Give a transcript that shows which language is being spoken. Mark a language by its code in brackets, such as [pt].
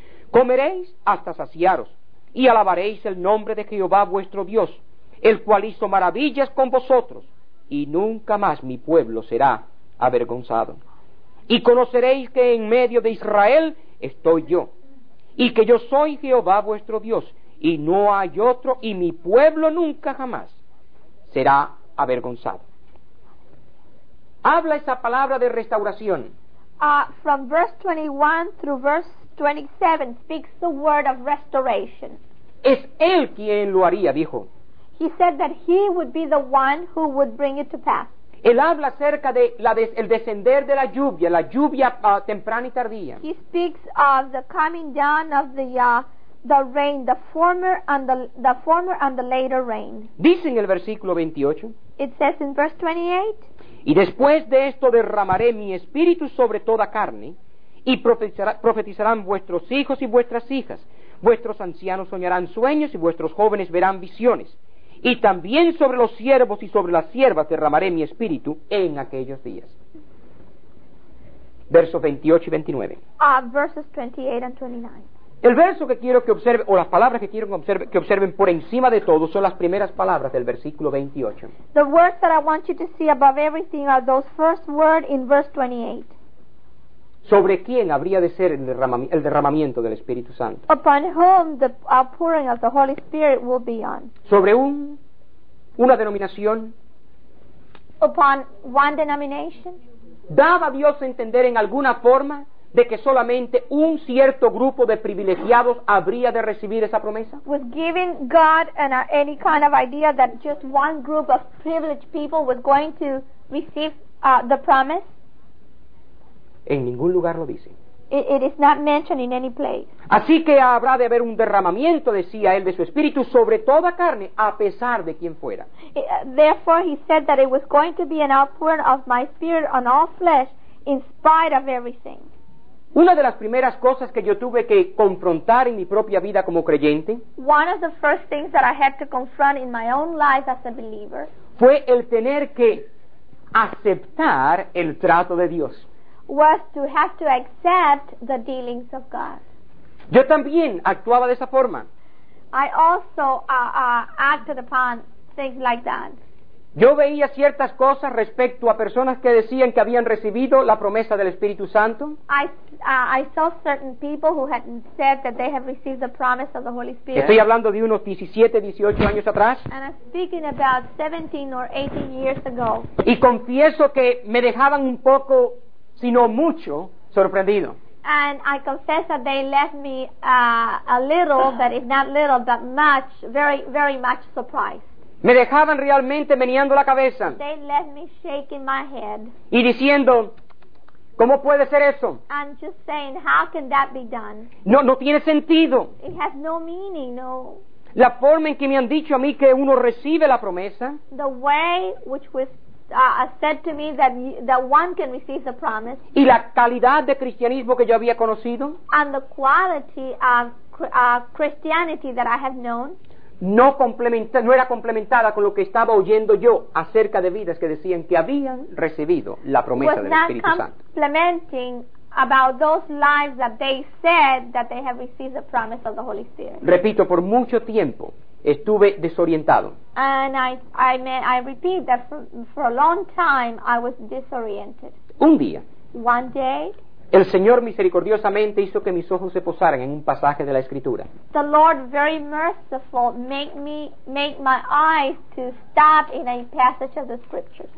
[es] Comeréis hasta saciaros y alabaréis el nombre de Jehová vuestro Dios, el cual hizo maravillas con vosotros, y nunca más mi pueblo será avergonzado. y conoceréis que en medio de Israel estoy yo, y que yo soy Jehová vuestro Dios, y no hay otro, y mi pueblo nunca jamás será avergonzado. Habla esa palabra de restauración. [en] From verse 21 through verse 27 speaks the word of restoration. [es] Es él quien lo haría, dijo. [en] He said that he would be the one who would bring it to pass. [es] Él habla acerca de el descender de la lluvia temprana y tardía. [en] He speaks of the coming down of the rain, the former and the later rain. [es] Dice en el versículo 28. [en] It says in verse 28. [es] Y después de esto derramaré mi espíritu sobre toda carne, y profetizarán vuestros hijos y vuestras hijas, vuestros ancianos soñarán sueños y vuestros jóvenes verán visiones, y también sobre los siervos y sobre las siervas derramaré mi espíritu en aquellos días. Versos 28 y 29. [en] Verses 28 and 29. [es] El verso que quiero que observe, o las palabras que quiero que observen por encima de todo, son las primeras palabras del versículo 28. [en] The words that I want you to see above everything are those first words in verse 28. [es] ¿Sobre quién habría de ser el derramamiento del Espíritu Santo? [en] Upon whom the outpouring of the Holy Spirit will be on. [es] ¿Sobre una denominación? [en] Upon one denomination. [es] ¿Daba Dios a entender en alguna forma de que solamente un cierto grupo de privilegiados habría de recibir esa promesa? [en] Was giving God any kind of idea that just one group of privileged people was going to receive the promise? [es] En ningún lugar lo dice. [en] It is not mentioned in any place. [es] Así que habrá de haber un derramamiento, decía él, de su espíritu sobre toda carne, a pesar de quien fuera. [en] Therefore he said that it was going to be an outpouring of my spirit on all flesh in spite of everything. [es] Una de las primeras cosas que yo tuve que confrontar en mi propia vida como creyente, [en] one of the first things that I had to confront in my own life as a believer, [es] fue el tener que aceptar el trato de Dios. [en] Was to have to accept the dealings of God. [es] Yo también actuaba de esa forma. [en] I also acted upon things like that. [es] Yo veía ciertas cosas respecto a personas que decían que habían recibido la promesa del Espíritu Santo. [en] I saw certain people who had said that they had received the promise of the Holy Spirit. [es] Estoy hablando de unos 17, 18 años atrás. [en] And I'm speaking about 17 or 18 years ago. [es] Y confieso que me dejaban un poco, sino mucho, sorprendido. [en] And I confess that they left me a little, but if not little, but much, very, very much surprised. [es] Me dejaban realmente meneando la cabeza. [en] They left me shaking my head. [es] Y diciendo, ¿cómo puede ser eso? [en] And just saying, how can that be done? [es] No tiene sentido. [en] It has no meaning, no. [es] La forma en que me han dicho a mí que uno recibe la promesa. [en] The way which was said to me that one can receive the promise. [es] Y la calidad de cristianismo que yo había conocido. [en] And the quality of Christianity that I have known. [es] No era complementada con lo que estaba oyendo yo acerca de vidas que decían que habían recibido la promesa del Espíritu Santo. [en] Was not complementing about those lives that they said that they have received the promise of the Holy Spirit. [es] Repito, por mucho tiempo estuve desorientado. [en] And I repeat that for a long time I was disoriented. [es] Un día, [en] one day, [es] el Señor misericordiosamente hizo que mis ojos se posaran en un pasaje de la Escritura. [en] The Lord very merciful make my eyes to stop in a passage of the Scriptures.